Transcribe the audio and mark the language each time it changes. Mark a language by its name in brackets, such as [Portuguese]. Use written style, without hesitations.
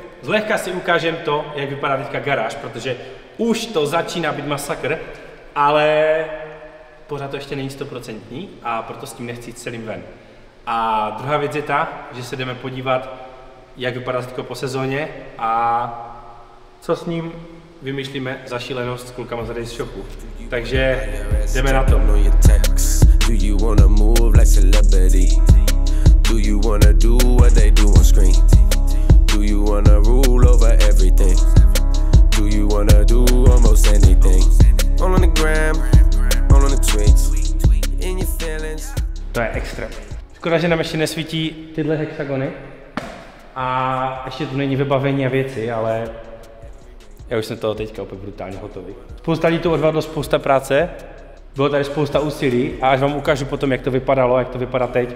[Czech] Zlehka si ukážem to, jak vypadá teďka garáž, protože už to začíná být masakr, ale pořád to ještě není 100% a proto s tím nechci jít celým ven. A druhá věc je ta, že se jdeme podívat, jak vypadá teďko po sezóně a co s ním vymýšlíme za šílenost s klukama z Race Shopu. Takže jdeme na to. [English] Do you wanna move like celebrity? Do you wanna do what they do on screen? Do you wanna rule over everything? Do you wanna do almost anything? All on the gram, all on the tweets, in your feelings. [Czech] To je extrém. Škoda, že nám ještě nesvítí tyhle hexagony. A ještě tu není vybavení a věci, ale já už jsem toho teďka úplně brutálně hotový. Spousta lidí to odvádlo, spousta práce. Bylo tady spousta úsilí a až vám ukážu potom, jak to vypadalo, jak to vypadá teď.